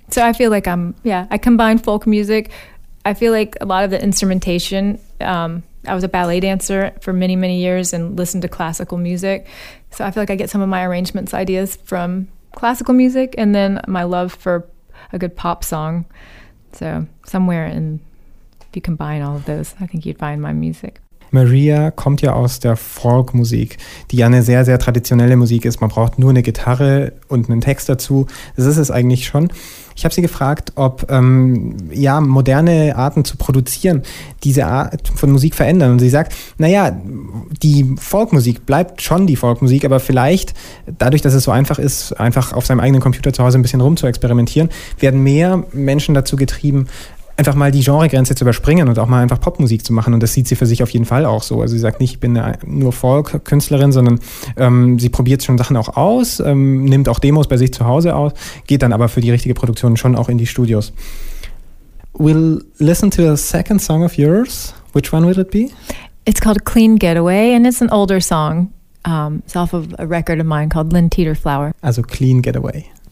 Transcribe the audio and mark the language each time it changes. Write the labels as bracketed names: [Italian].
[English] So I feel like I combine folk music. I feel like a lot of the instrumentation, I was a ballet dancer for many, many years and listened to classical music. So I feel like I get some of my arrangements ideas from classical music, and then my love for a good pop song. So somewhere in, if you combine all of those, I think you'd find my music. [German] Maria kommt ja aus der Folkmusik, die ja eine sehr, sehr traditionelle Musik ist. Man braucht nur eine Gitarre und einen Text dazu. Das ist es eigentlich schon. Ich habe sie gefragt, ob moderne Arten zu produzieren diese Art von Musik verändern. Und sie sagt, naja, die Folkmusik bleibt schon die Folkmusik, aber vielleicht dadurch, dass es so einfach ist, einfach auf seinem eigenen Computer zu Hause ein bisschen rumzuexperimentieren, werden mehr Menschen dazu getrieben, einfach mal die Genregrenze zu überspringen und auch mal einfach Popmusik zu machen. Und das sieht sie für sich auf jeden Fall auch so. Also sie sagt nicht, ich bin nur Folk-Künstlerin, sondern sie probiert schon Sachen auch aus, nimmt auch Demos bei sich zu Hause aus, geht dann aber für die richtige Produktion schon auch in die Studios. [English] We'll listen to a second song of yours. Which one would it be? It's called Clean Getaway and it's an older song. It's off of a record of mine called Lynn Teeter Flower. [German] Also Clean Getaway.